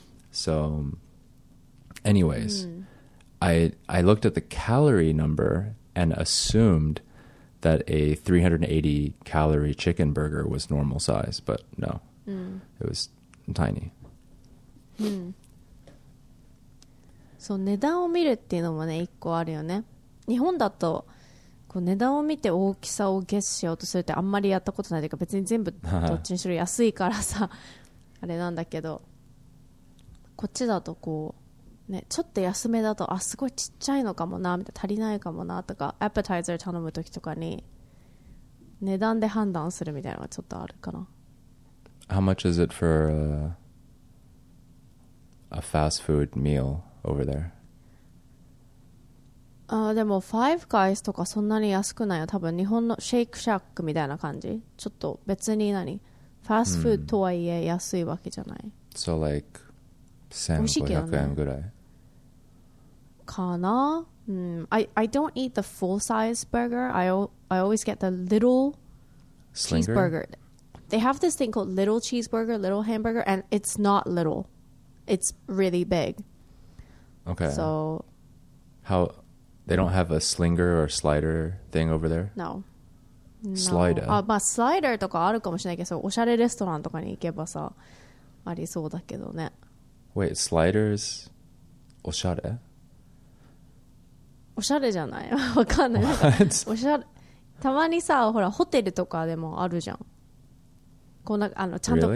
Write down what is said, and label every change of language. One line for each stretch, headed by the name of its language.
English: So anyways, I looked at the calorie number and assumed that a 380 calorie chicken burger was normal size, but no, it was tiny.
Japanese: そう、値段を見るっていうのもね、一個あるよね。日本だとこう値段を見て大きさをゲスしようとするってあんまりやったことないというか、別に全部どっちにしろ安いからさあれなんだけど、こっちだとこうね、ちょっと安めだと、あ、すごいちっちゃいのかもなみたいな、足りないかもなとか、アペタイザー頼むときとかに値段で判断するみたいなのがちょっとあるかな。
English: How much is it for a fast food meal over there?
Japanese: でも Five Guys とかそんなに安くないよ。多分日本のシェイクシャックみたいな感じ。ちょっと別に何ファーストフードとはいえ安いわけじゃない。
English: So like
Japanese: 1,500円ぐらいかな。
English: I don't eat the full size burger. I always get the little cheeseburger. They have this thing called little cheeseburger, little hamburger, and it's not little. It's really big. Okay. So how they don't have a slinger or slider thing over there? No. Slider. No.
Japanese: まあ、スライダーとかあるかもしれないけど、おしゃれレストランとかに行けばさ、ありそうだけどね。
English: Wait, sliders?
Japanese: おしゃれ？おしゃれじゃない？わかんない。
English: What?
Japanese: おしゃれ。たまにさ、ほら、ホテルとかでもあるじゃん。こんな、あの、ちゃんとこう、